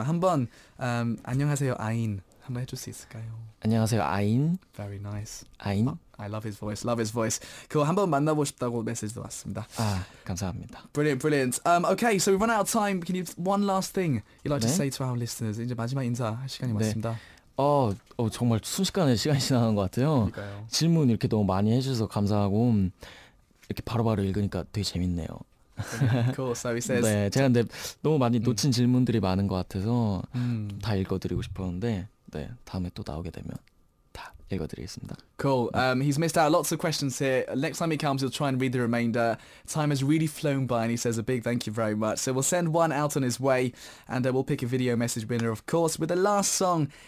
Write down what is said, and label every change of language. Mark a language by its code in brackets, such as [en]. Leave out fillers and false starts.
[ko] 한번 안녕하세요 아인 한번 해줄 수 있을까요? 안녕하세요 아인. [en] Very nice. [ko] 아인. [en] I love his voice. Love his voice. [ko] 그거 한번 만나보고 싶다고 메시지도 왔습니다. 아 감사합니다. [en] Brilliant, brilliant. Okay, so we run out of time. Can you one last thing you'd like 네? to say to our listeners? [ko] 이제 마지막 인사 시간이 왔습니다. 네. 정말 순식간에 시간이 지나간 것 같아요. 그러니까요. 질문 이렇게 너무 많이 해주셔서 감사하고 이렇게 바로바로 읽으니까 되게 재밌네요. [en] Cool. So he says. [ko] 네, 제가 근데 너무 많이 놓친 질문들이 많은 것 같아서 다 읽어드리고 싶었는데, 네 다음에 또 나오게 되면 다 읽어드리겠습니다. [en] Cool. He's missed out lots of questions here. Next time he comes, he'll try and read the remainder. Time has really flown by, and he says a big thank you very much. So we'll send one out on his way, and we'll pick a video message winner, of course, with the last song.